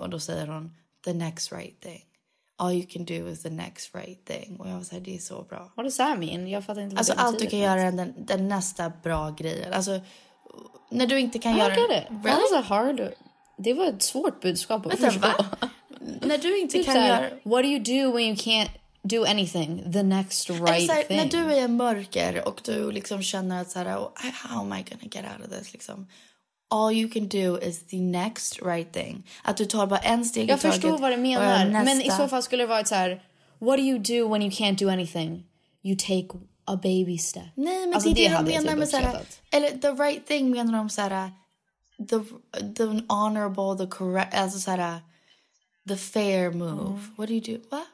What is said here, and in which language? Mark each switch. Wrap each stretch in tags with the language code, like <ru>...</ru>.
<sv>Och då säger hon,</sv> <en>the next right thing, all you can do is the next right thing.</en> <sv>Och jag var så här, det är så bra.</sv> <en>What does that mean?</en> <sv>Jag fattar inte. Alltså allt du kan göra är den nästa bra grejen. Alltså när du inte kan göra det.</sv> <en>Really? That was a hard,</en> <sv>det var ett svårt budskap att förstå. När du inte kan göra,</sv> <en>what do you do when you can't do anything, the next right</en> <sv>här,</sv> <en>thing.</en> <sv>När du är mörker och du liksom känner att så här,</sv> <en>how am I gonna get out of this? Liksom, all you can do is the next right thing.</en> <sv>Att du tar bara en steg i taget. Jag förstår vad du menar, men i så fall skulle det vara så här,</sv> <en>what do you do when you can't do anything? You take a baby step.</en> <sv>Nej, men alltså, det de menar med så här, eller</sv> <en>the right thing</en> <sv>menar de så här,</sv> <en>the honorable, the correct,</en> <sv>alltså så här,</sv> <en>the fair move.</en> <sv>Mm.</sv> <en>What do you do?</en> <sv>Va?</sv>